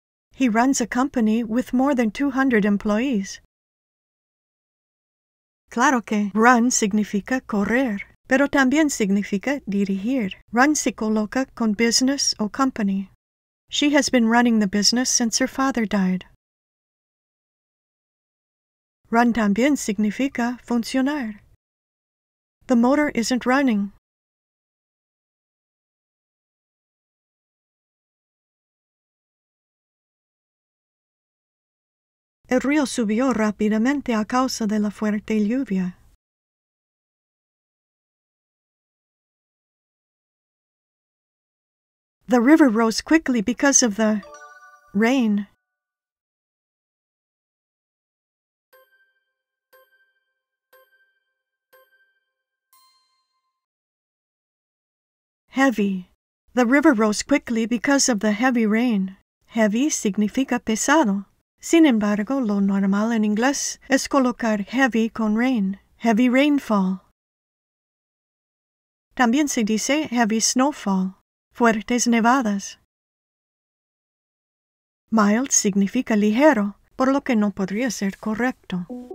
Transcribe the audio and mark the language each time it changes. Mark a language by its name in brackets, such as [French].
[English] He runs a company with more than 200 employees. [Spanish] Claro que run significa correr, pero también significa dirigir. Run se coloca con business o company. [English] She has been running the business since her father died. [Spanish] Run también significa funcionar. [English] The motor isn't running. [Spanish] El río subió rápidamente a causa de la fuerte lluvia. [English] The river rose quickly because of the rain. Heavy. The river rose quickly because of the heavy rain. [Spanish] Heavy significa pesado. Sin embargo, lo normal en inglés es colocar heavy con rain, heavy rainfall. También se dice heavy snowfall, fuertes nevadas. Mild significa ligero, por lo que no podría ser correcto.